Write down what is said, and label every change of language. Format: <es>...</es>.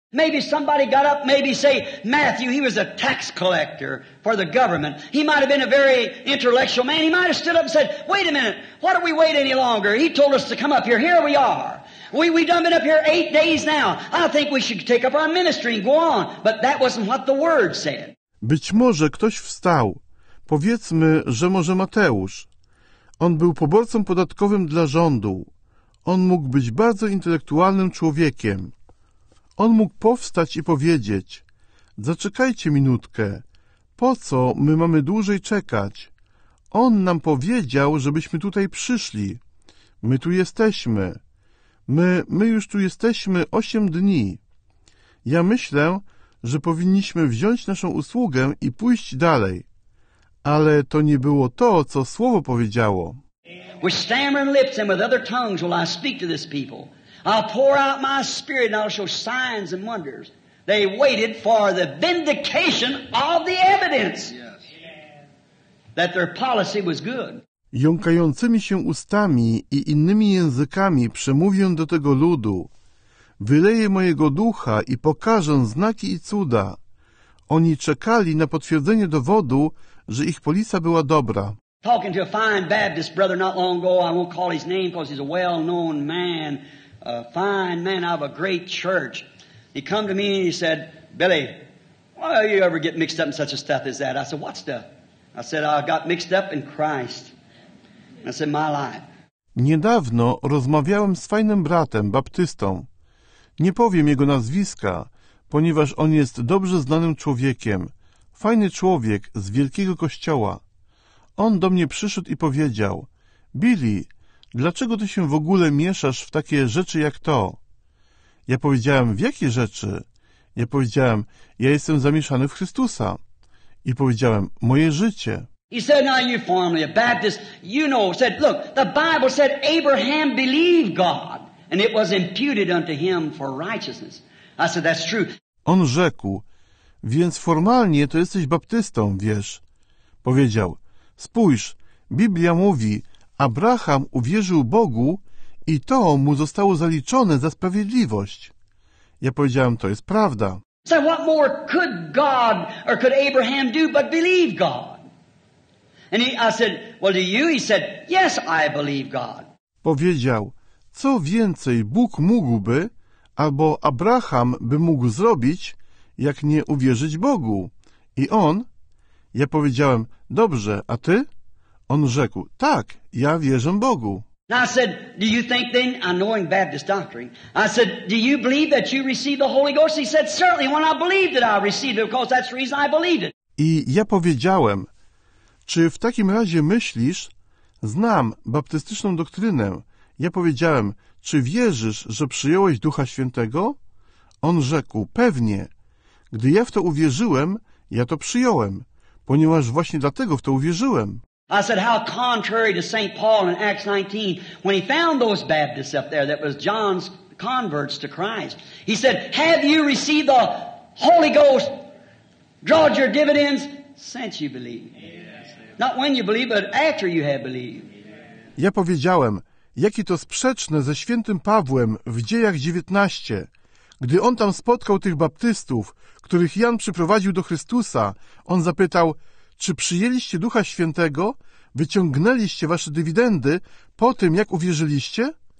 <en>maybe somebody got up, maybe say Matthew, he was a tax collector for the government. He might have been a very intellectual man. He might have stood up and said, wait a minute, why don't we wait any longer? He told us to come up here. Here we are. We've done been up here 8 days now. I think we should take up our ministry and go on. But that wasn't what the word said.</en> <pl>Być może ktoś wstał. Powiedzmy, że może Mateusz. On był poborcą podatkowym dla rządu. On mógł być bardzo intelektualnym człowiekiem. On mógł powstać i powiedzieć: zaczekajcie minutkę. Po co my mamy dłużej czekać? On nam powiedział, żebyśmy tutaj przyszli. My tu jesteśmy. My już tu jesteśmy 8 dni. Ja myślę, że powinniśmy wziąć naszą usługę i pójść dalej. Ale to nie było to, co Słowo powiedziało.</pl> <en>With stammering lips and with other tongues will I speak to this people. I'll pour out my spirit and I'll show signs and wonders. They waited for the vindication of the evidence that their policy was good.</en> <pl>Jąkającymi się ustami i innymi językami przemówię do tego ludu. Wyleję mojego ducha i pokażę znaki i cuda. Oni czekali na potwierdzenie dowodu, że ich polisa była dobra.</pl> <en>Talking to a fine Baptist brother not long ago, I won't call his name because he's a well-known man, a fine man out of a great church. He come to me and he said, Billy, why do you ever get mixed up in such a stuff as that? I said, what stuff? I said, I got mixed up in Christ. I said, my life.</en> <pl>Niedawno rozmawiałem z fajnym bratem, baptystą. Nie powiem jego nazwiska, ponieważ on jest dobrze znanym człowiekiem. Fajny człowiek z wielkiego kościoła. On do mnie przyszedł i powiedział: Billy, dlaczego ty się w ogóle mieszasz w takie rzeczy jak to? Ja powiedziałem: w jakie rzeczy? Ja powiedziałem: ja jestem zamieszany w Chrystusa. I powiedziałem: moje życie.</pl> <en>He said, now you formerly a Baptist, you know, said, look, the Bible said Abraham believed God and it was imputed unto him for righteousness. I said, that's true.</en> <pl>On rzekł: więc formalnie to jesteś baptystą, wiesz? Powiedział: spójrz, Biblia mówi, Abraham uwierzył Bogu i to mu zostało zaliczone za sprawiedliwość. Ja powiedziałem: to jest prawda.</pl> <en>So what more could God or could Abraham do but believe God? And I said, well, do you? He said, yes, I believe God.</en> <pl>Powiedział: co więcej Bóg mógłby albo Abraham by mógł zrobić, jak nie uwierzyć Bogu? I on? Ja powiedziałem: dobrze, a ty? On rzekł: tak, ja wierzę Bogu.</pl> <en>Now I said, do you think then, knowing Baptist doctrine, I said, do you believe that you received the Holy Ghost? He said, certainly, when I believed it, I received it, because that's the reason I believed it.</en> <pl>I ja powiedziałem: czy w takim razie myślisz? Znam baptystyczną doktrynę. Ja powiedziałem: czy wierzysz, że przyjąłeś Ducha Świętego? On rzekł: pewnie. Gdy ja w to uwierzyłem, ja to przyjąłem, ponieważ właśnie dlatego w to uwierzyłem.</pl> <en>I said, how contrary to St. Paul in Acts 19, when he found those Baptists up there that was John's converts to Christ. He said, have you received the Holy Ghost, drawed your dividends since you believed? Yes. Not when you believed, but after you have believed.</en> <pl>Ja powiedziałem, jakie to sprzeczne ze świętym Pawłem w Dziejach 19, Gdy on tam spotkał tych baptystów, których Jan przyprowadził do Chrystusa, on zapytał, czy przyjęliście Ducha Świętego, wyciągnęliście wasze dywidendy po tym, jak uwierzyliście?</pl>